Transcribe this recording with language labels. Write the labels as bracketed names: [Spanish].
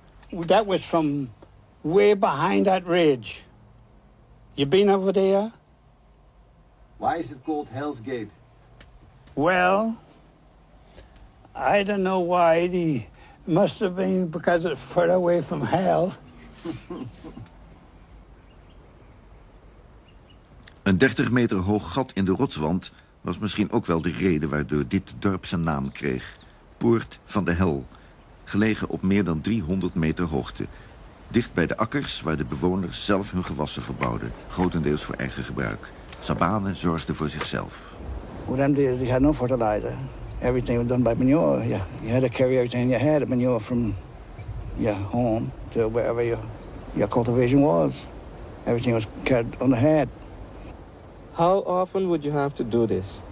[English] That was from way behind that ridge. You been over there? Why is it called Hell's Gate? Well, I don't know why. It must have been because it's further away from hell. [Dutch] Een 30 meter hoog gat in de rotswand was misschien ook wel de reden waardoor dit dorp zijn naam kreeg. Poort van de Hel, gelegen op meer dan 300 meter hoogte. Dicht bij de akkers waar de bewoners zelf hun gewassen verbouwden, grotendeels voor eigen gebruik. Sabane zorgde voor zichzelf. Voor hen die hadden [English] no fertilizer. Everything was done by manure. Yeah. You had to carry everything in your head, manure from your home to wherever your cultivation was. Everything was carried on the head. How often would you have to do this?